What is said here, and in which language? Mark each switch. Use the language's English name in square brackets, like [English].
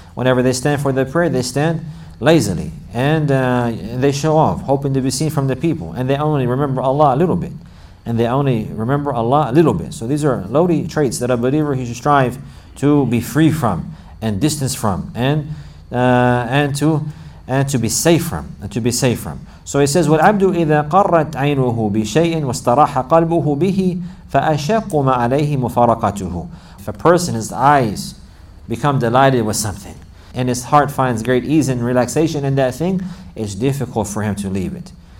[English] Whenever they stand for the prayer, they stand lazily, and they show off, hoping to be seen from the people, and they only remember Allah a little bit. So these are lowly traits that a believer, he should strive to be free from and distance from and to be safe from. So he says, [Arabic] وَالْعَبْدُ إِذَا قَرَّتْ عَيْنُهُ بِشَيْءٍ وَاسْتَرَاحَ قَلْبُهُ بِهِ فَأَشَقُّ مَا عَلَيْهِ مُفَارَقَتُهُ. [English] If a person, his eyes become delighted with something, and his heart finds great ease and relaxation in that thing, it's difficult for him to leave it.